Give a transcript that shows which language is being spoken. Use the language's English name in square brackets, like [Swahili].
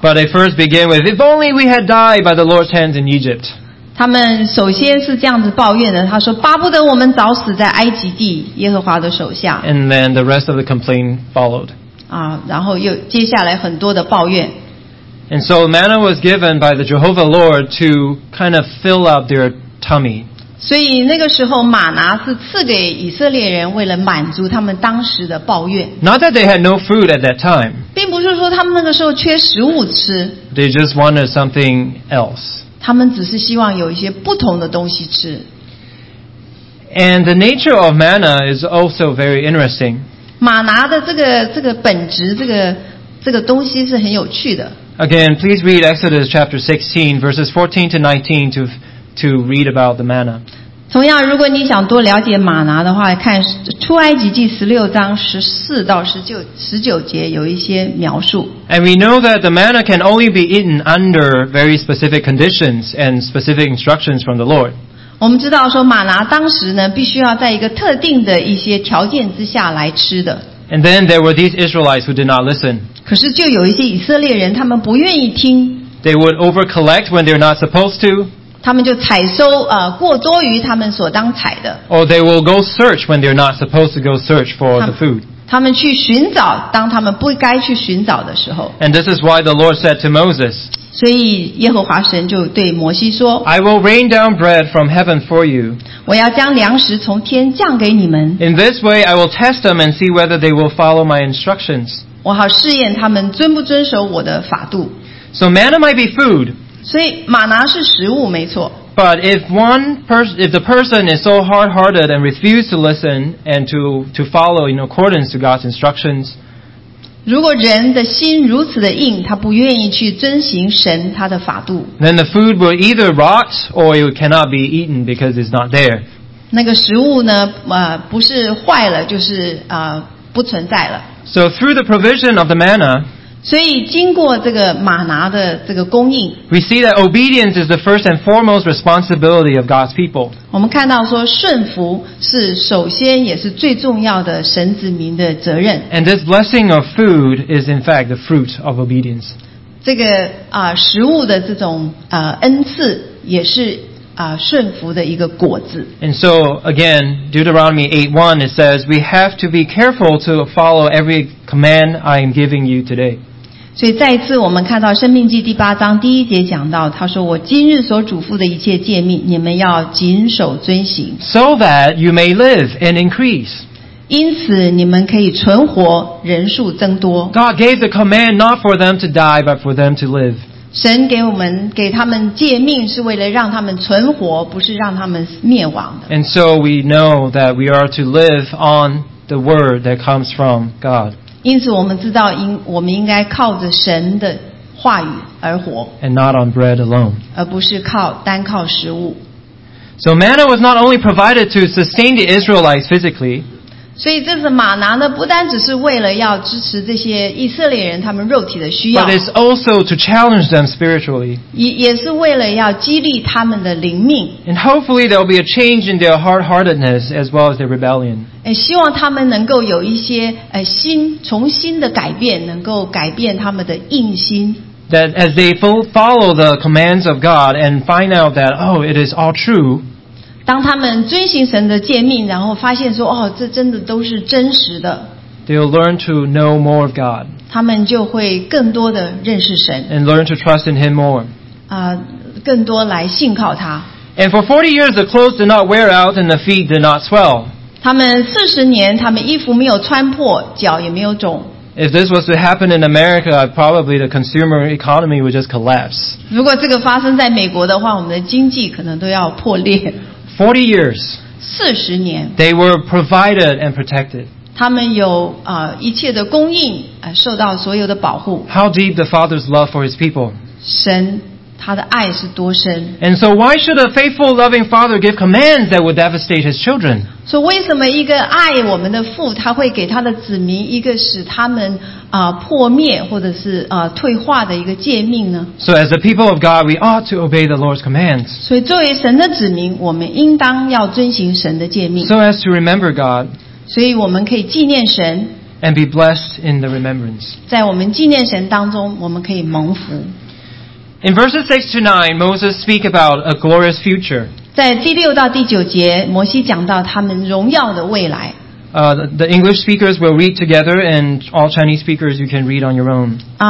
[English] But they first begin with, "If only we had died by the Lord's hands in Egypt." [Chinese] 他们首先是这样子抱怨的，他说：“巴不得我们早死在埃及地，耶和华的手下。 [English] ”And then the rest of the complaint followed. [Chinese] 然后又接下来很多的抱怨。 [English] And so manna was given by the Jehovah Lord to kind of fill up their tummy. [Chinese] 所以那个时候玛拿是赐给以色列人为了满足他们当时的抱怨。 [English] Not that they had no food at that time. [Chinese] 并不是说他们那个时候缺食物吃。 [English] They just wanted something else. [Chinese] 他们只是希望有一些不同的东西吃。 [English] And the nature of manna is also very interesting. [Chinese] 玛拿的这个本质这个东西是很有趣的。 [English] Again, please read Exodus chapter 16, verses 14 to 19 to read about the manna. [Chinese] 同样，如果你想多了解玛拿的话，看出埃及记16章14到19节有一些描述。 [English] And we know that the manna can only be eaten under very specific conditions and specific instructions from the Lord. [Chinese] 我们知道说玛拿当时呢，必须要在一个特定的一些条件之下来吃的。 [English] And then there were these Israelites who did not listen. [Chinese] 可是就有一些以色列人，他们不愿意听。 [English] They would overcollect when they're not supposed to. [Chinese] 他们就采收过多于他们所当采的。 [English] Or they will go search when they're not supposed to go search for the food. [Chinese] 他们去寻找当他们不该去寻找的时候。 [English] And this is why the Lord said to Moses. [Chinese] 所以耶和华神就对摩西说。 [English] I will rain down bread from heaven for you. [Chinese] 我要将粮食从天降给你们。 [English] In this way, I will test them and see whether they will follow my instructions. [Chinese] 我好试验他们遵不遵守我的法度。 [English] So manna might be food. [Chinese] 所以玛拿是食物，没错。 [English] But if the person is so hard-hearted and refuses to listen and to follow in accordance to God's instructions, [Chinese] 如果人的心如此的硬，他不愿意去遵行神他的法度。 [English] Then the food will either rot or it cannot be eaten because it's not there. [Chinese] 那个食物呢，不是坏了，就是不存在了。 [English] So through the provision of the manna, [Chinese] 所以经过这个玛拿的这个供应， [English] we see that obedience is the first and foremost responsibility of God's people. [Chinese] 我们看到说顺服是首先也是最重要的神子民的责任。 [English] And this blessing of food is in fact the fruit of obedience. [Chinese] 这个食物的这种恩赐也是顺服的一个果子。 [English] And so again, Deuteronomy 8:1 it says, we have to be careful to follow every command I am giving you today. [Chinese] 所以再一次我们看到申命记第八章第一节讲到，他说我今日所嘱咐的一切诫命你们要谨守遵行。 [English] So that you may live and increase. [Chinese] 因此你们可以存活，人数增多。 [English] God gave the command not for them to die, but for them to live. [Chinese] 神给他们诫命是为了让他们存活，不是让他们灭亡的。 [English] And so we know that we are to live on the word that comes from God. [Chinese] 因此我们知道我们应该靠着神的话语而活。 [English] And not on bread alone. [Chinese] 而不是单靠食物。 [English] So manna was not only provided to sustain the Israelites physically. [Chinese] 所以这是玛拿呢，不单只是为了要支持这些以色列人他们肉体的需要。 [English] But it's also to challenge them spiritually. [Chinese] 也是为了要激励他们的灵命。 [English] And hopefully there will be a change in their hard-heartedness as well as their rebellion. [Chinese] 希望他们能够有一些重新的改变，能够改变他们的硬心。 [English] That as they follow the commands of God and find out that, oh, it is all true, [Chinese] 当他们遵行神的诫命，然后发现说，哦，这真的都是真实的。 [English] They'll learn to know more of God. [Chinese] 他们就会更多的认识神。 [English] And learn to trust in Him more. [Chinese] 更多来信靠他。 [English] And for 40 years, the clothes did not wear out and the feet did not swell. [Chinese] 他们40年，他们衣服没有穿破，脚也没有肿。 [English] If this was to happen in America, probably the consumer economy would just collapse. [Chinese] 如果这个发生在美国的话，我们的经济可能都要破裂。 [English] 40 years. [Chinese] 40年, [English] they were provided and protected. [Chinese] 他们有一切的供应，受到所有的保护。 [English] How deep the Father's love for his people. [Chinese] 神他的爱是多深。 [English] And so why should a faithful loving father give commands that would devastate his children? [Chinese] 所以为什么一个爱我们的父，他会给他的子民一个使他们破灭或者是退化的一个诫命呢？ [English] So as the people of God, we ought to obey the Lord's commands. [Chinese] 所以作为神的子民，我们应当要遵行神的诫命。 [English] So as to remember God. [Chinese] 所以我们可以纪念神。 [English] And be blessed in the remembrance. [Chinese] 在我们纪念神当中，我们可以蒙福。 [English] In verses 6 to 9, Moses speak about a glorious future. [Chinese] 在第六到第九节，摩西讲到他们荣耀的未来。 [English] The English speakers will read together, and all Chinese speakers, you can read on your own.